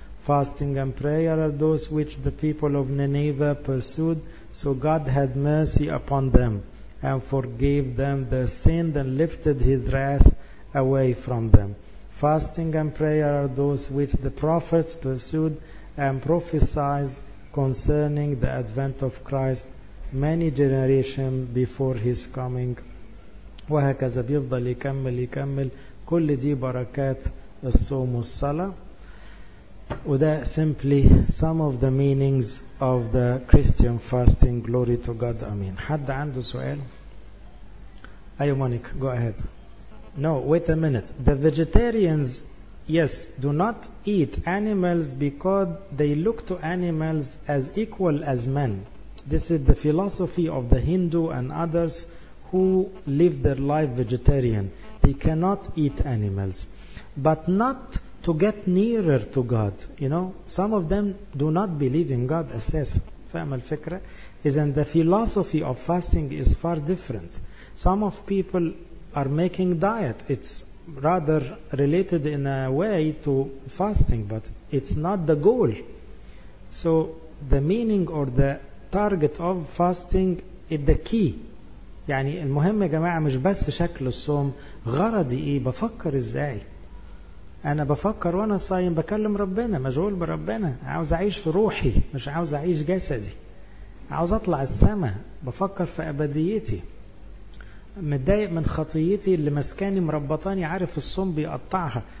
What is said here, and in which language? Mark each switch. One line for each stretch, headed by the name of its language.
English: Fasting and prayer are those which the people of Nineveh pursued, so God had mercy upon them and forgave them their sin and lifted His wrath away from them. Fasting and prayer are those which the prophets pursued and prophesied concerning the advent of Christ many generations before His coming.
Arabic: وهكذا بيفضل يكمل يكمل كل دي بركات الصوم والصلاة. وده
English: simply some of the meanings of the Christian fasting. Glory to God. Amen.
Arabic: حد عنده سؤال؟ أيوة مونيك,
English: go ahead. No, wait a minute. The vegetarians, yes, do not eat animals because they look to animals as equal as men. This is the philosophy of the Hindu and others who live their life vegetarian. They cannot eat animals. But not to get nearer to God. You know, some of them do not believe in God.
Arabic: فهم الفكرة؟
English: Isn't the philosophy of fasting is far different. Some of people are making diet. It's rather related in a way to fasting, but it's not the goal. So the meaning or the target of fasting is the key.
Arabic: يعني المهم يا جماعة مش بس شكل الصوم, غرضي ايه, بفكر ازاي, انا بفكر وانا صايم بكلم ربنا, مشغول بربنا, عاوز اعيش في روحي مش عاوز اعيش جسدي, عاوز اطلع السماء, بفكر في ابديتي, متضايق من خطيتي اللي مسكاني مربطاني, عارف الصوم بيقطعها.